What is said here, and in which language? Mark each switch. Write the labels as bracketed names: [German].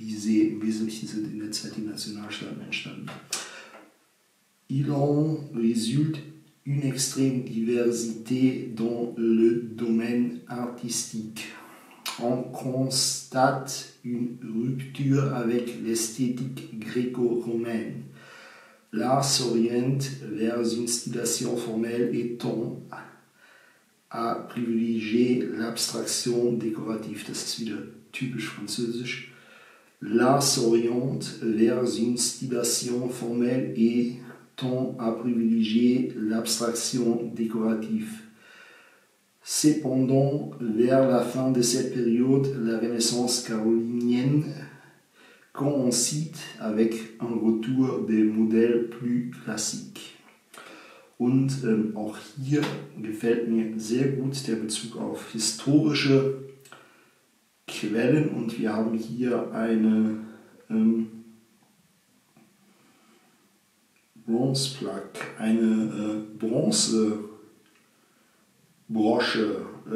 [German] Im Wesentlichen sind in der Zeit die Nationalstaaten entstanden. [French] Il en résulte une extrême diversité dans le domaine artistique. On constate une rupture avec l'esthétique gréco-romaine. L'art s'oriente vers une stylisation formelle et tend à privilégier l'abstraction décorative. [German] Das ist wieder typisch französisch. [French] L'art s'oriente vers une stylisation formelle et tend à privilégier l'abstraction décorative. Cependant, vers la fin de cette période, la Renaissance carolingienne coïncide avec un retour des modèles plus classiques. [German] Und auch hier gefällt mir sehr gut der Bezug auf historische Quellen. Und wir haben hier eine Bronze Plaque, eine Bronze Brosche.